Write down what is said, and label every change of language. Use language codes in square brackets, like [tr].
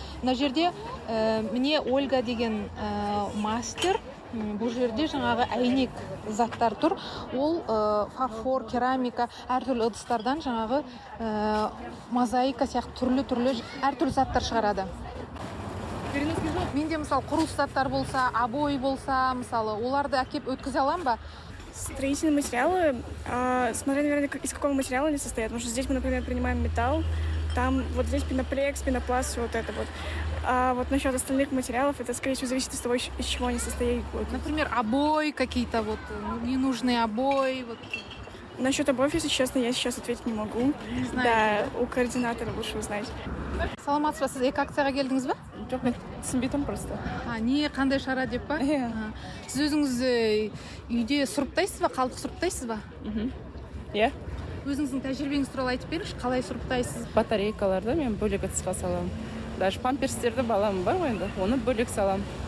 [kk] Мына жерде міне Ольга деген мастер, бұл жерде жаңағы әйнек заттар тұр. Ол фарфор, керамика, әртүрлі ыдыстардан жаңағы мозаика сияқты түрлі-түрлі әртүрлі заттар шығарады. Менде мысалы құрылыс заттар болса, обой болса, мысалы оларды әкеп өткізе алам ба? [ru] Строительные материалы, смотря, наверное, из какого материала они состоят. Потому что здесь мы, например, принимаем металл, там вот здесь пеноплекс, пенопласт, все вот это вот. А вот насчет остальных материалов, это, скорее всего, зависит от того, из чего они состоят. Например, обои какие-то, вот ненужные обои. Вот. Насчет обоев, если честно, я сейчас ответить не могу. Не знаю. Да, у координатора лучше узнать. [kk] Саламатсыз ба, сіз экакцияға келдіңіз ба? Жоқ, мен түсінбейтім просто. А, не, қандай шара деп па? Иә. Сіз өзіңіз үйде сұрыптайсыз ба, қалдық сұрыптайсыз ба? Иә. Өзіңіздің тәжірибеңіз туралы айтып беріңізші, қалай сұрыптайсыз? Батарейкаларды мен бөлек ыдысқа саламын. Даже памперстерді баламын бар ғой енді, оны бөлек саламын.